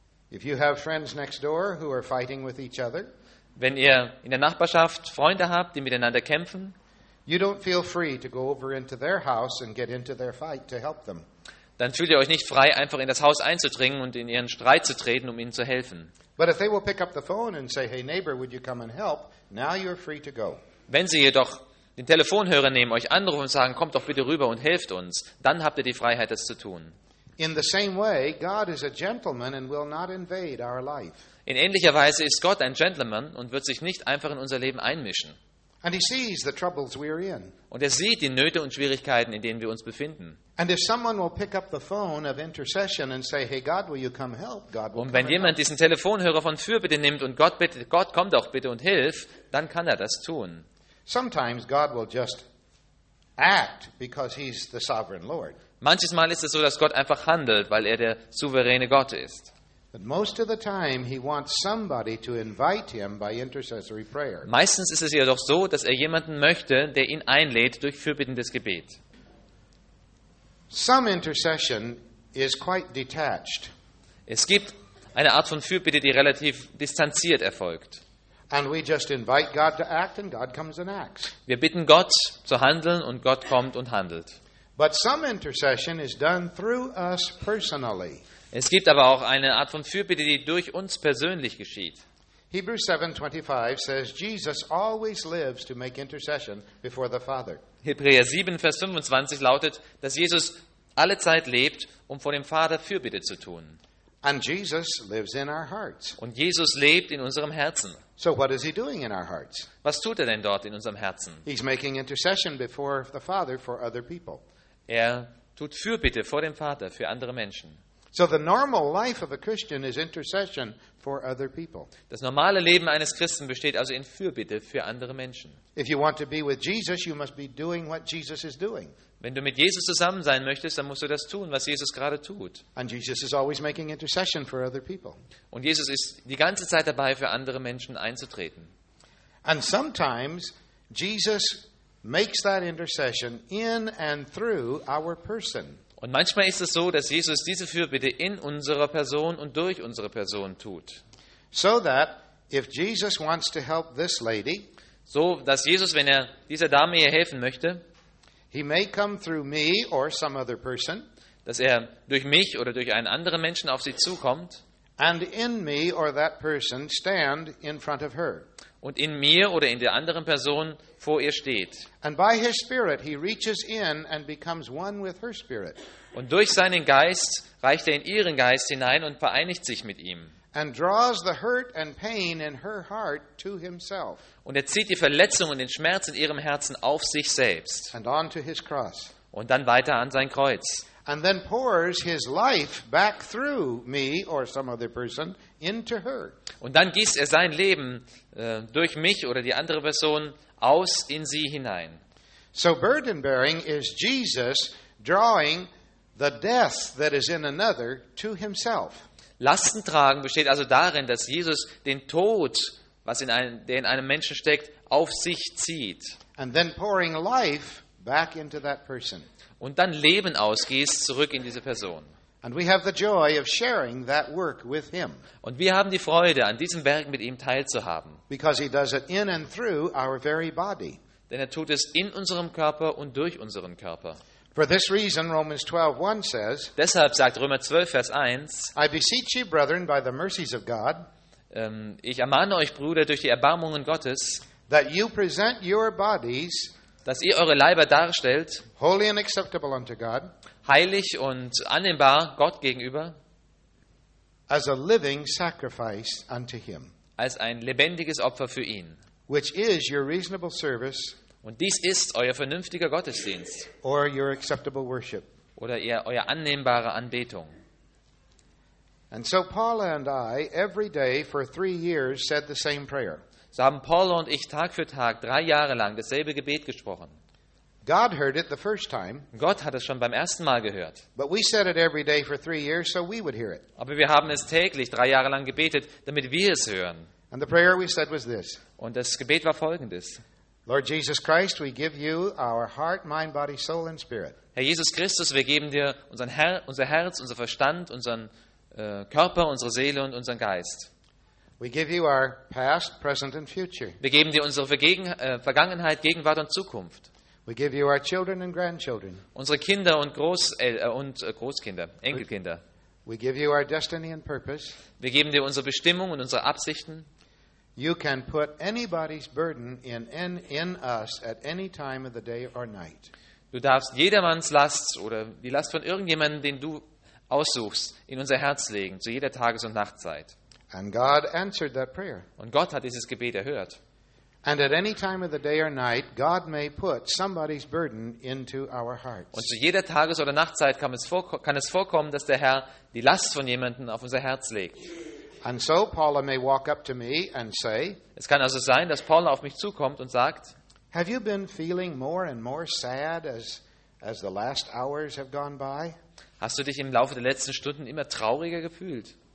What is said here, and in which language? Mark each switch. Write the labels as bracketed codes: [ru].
[en] If you have friends next door who are fighting with each other, [de] Wenn ihr in der Nachbarschaft Freunde habt, die miteinander kämpfen, [en] you don't feel free to go over into their house and get into their fight to help them. [de] Dann fühlt ihr euch nicht frei, einfach in das Haus einzudringen und in ihren Streit zu treten, um ihnen zu helfen. [en] But if they will pick up the phone and say, "Hey neighbor, would you come and help?" Now you're free to go. [de] Wenn sie jedoch den Telefonhörer nehmen, euch anrufen und sagen, kommt doch bitte rüber und helft uns, dann habt ihr die Freiheit, das zu tun. [en] In the same way, God is a gentleman and will not invade our life. [de] In ähnlicher Weise ist Gott ein Gentleman und wird sich nicht einfach in unser Leben einmischen. [en] And he sees the troubles we are in. [de] Und er sieht die Nöte und Schwierigkeiten, in denen wir uns befinden. [en] And if someone will pick up the phone of intercession and say, "Hey God, will you come help?" God will. [de] Und wenn jemand diesen Telefonhörer von Fürbitte nimmt und Gott bittet, Gott komm doch bitte und hilf, dann kann er das tun. [en] Sometimes God will just act because he's the sovereign Lord. [de] Manches Mal ist es so, dass Gott einfach handelt, weil er der souveräne Gott ist. [en] But most of the time he wants somebody to invite him by intercessory prayer. [de] Meistens ist es jedoch so, dass er jemanden möchte, der ihn einlädt durch fürbittendes Gebet. [en] Some intercession is quite detached. [de] Es gibt eine Art von Fürbitte, die relativ distanziert erfolgt. [en] And we just invite God to act and God comes and acts. [de] Wir bitten Gott zu handeln und Gott kommt und handelt. [en] But some intercession is done through us personally. [de] Es gibt aber auch eine Art von Fürbitte, die durch uns persönlich geschieht. [en] Hebrews 7:25 says Jesus always lives to make intercession before the Father. [de] Hebräer 7 Vers 25 lautet, dass Jesus alle Zeit lebt, um vor dem Vater Fürbitte zu tun. [en] And Jesus lives in our hearts. [de] Und Jesus lebt in unserem Herzen. [en] So what is he doing in our hearts? [de] Was tut er denn dort in unserem Herzen? [en] He's making intercession before the Father for other people. [de] Er tut Fürbitte vor dem Vater für andere Menschen. [en] So the normal life of a Christian is intercession for other people. [de] Das normale Leben eines Christen besteht also in Fürbitte für andere Menschen. [en] If you want to be with Jesus, you must be doing what Jesus is doing. [de] Wenn du mit Jesus zusammen sein möchtest, dann musst du das tun, was Jesus gerade tut. [en] And Jesus is always making intercession for other people. [de] Und Jesus ist die ganze Zeit dabei, für andere Menschen einzutreten. [en] And sometimes Jesus makes that intercession in and through our person. [de] Und manchmal ist es so, dass Jesus diese Fürbitte in unserer Person und durch unsere Person tut. [en] So that if Jesus wants to help this lady, [de] so dass Jesus, wenn er dieser Dame hier helfen möchte, [en] he may come through me or some other person, [de] dass er durch mich oder durch einen anderen Menschen auf sie zukommt, [en] and in me or that person stand in front of her. [de] Und in mir oder in der anderen Person vor ihr steht. [en] And by his spirit he reaches in and becomes one with her spirit. [de] Und durch seinen Geist reicht er in ihren Geist hinein und vereinigt sich mit ihm. [en] And draws the hurt and pain in her heart to himself. [de] Und er zieht die Verletzung und den Schmerz in ihrem Herzen auf sich selbst. [en] And on to his cross. [de] Und dann weiter an sein Kreuz. [en] And then pours his life back through me or some other person into her. [de] Und dann gießt er sein Leben durch mich oder die andere Person aus in sie hinein. [en] So burden bearing is Jesus drawing the death that is in another to himself. [de] Lastentragen besteht also darin, dass Jesus den Tod, der in einem Menschen steckt, auf sich zieht. [en] And then pouring life back into that person. [de] Und dann Leben ausgießt zurück in diese Person. [en] And we have the joy of sharing that work with him. [de] Und wir haben die Freude, an diesem Werk mit ihm teilzuhaben. [en] Because he does it in and through our very body. [de] Denn er tut es in unserem Körper und durch unseren Körper. [en] For this reason, Romans 12:1 says. [de] Deshalb sagt Römer 12, Vers 1. [en] I beseech you, brethren, by the mercies of God. [de] Ich ermahne euch, Brüder, durch die Erbarmungen Gottes. [en] That you present your bodies. [de] Dass ihr eure Leiber darstellt, [en] holy and acceptable unto God, [de] heilig und annehmbar Gott gegenüber, [en] as a living sacrifice unto him, [de] als ein lebendiges Opfer für ihn, [en] which is your reasonable service, [de] und dies ist euer vernünftiger Gottesdienst, [en] or your acceptable worship, [de] oder euer annehmbare Anbetung. [en] And so Paul and I every day for 3 years said the same prayer. [de] So haben Paul und ich Tag für Tag 3 Jahre lang dasselbe Gebet gesprochen. [en] God heard it the first time. [de] Gott hat es schon beim ersten Mal gehört. [en] But we said it every day for 3 years, so we would hear it. [de] Aber wir haben es täglich 3 Jahre lang gebetet, damit wir es hören. [en] And the prayer we said was this. [de] Und das Gebet war folgendes. [en] Lord Jesus Christ, we give you our heart, mind, body, soul and spirit. [de] Herr Jesus Christus, wir geben dir unser Herz, unser Verstand, unseren Körper, unsere Seele und unseren Geist. [en] We give you our past, present and future. [de] Wir geben dir unsere Vergangenheit, Gegenwart und Zukunft. [en] We give you our children and grandchildren. [de] Unsere Kinder und Großkinder, Enkelkinder. [en] We give you our destiny and purpose. [de] Wir geben dir unsere Bestimmung und unsere Absichten. [en] You can put anybody's burden in us at any time of the day or night. [de] Du darfst jedermanns Last oder die Last von irgendjemandem, den du aussuchst, in unser Herz legen, zu jeder Tages- und Nachtzeit. [en] And God answered that prayer. [de] Und Gott hat dieses Gebet erhört. [en] And at any time of the day or night, God may put somebody's burden into our hearts. [de] Und zu jeder Tages- oder Nachtzeit kann es vorkommen, dass der Herr die Last von jemandem auf unser Herz legt. [en] And so Paula may walk up to me and say, [de] es kann also sein, dass Paula auf mich zukommt und sagt, [en] have you been feeling more and more sad as the last hours have gone by? [de] Hast du dich im Laufe der letzten Stunden immer trauriger gefühlt?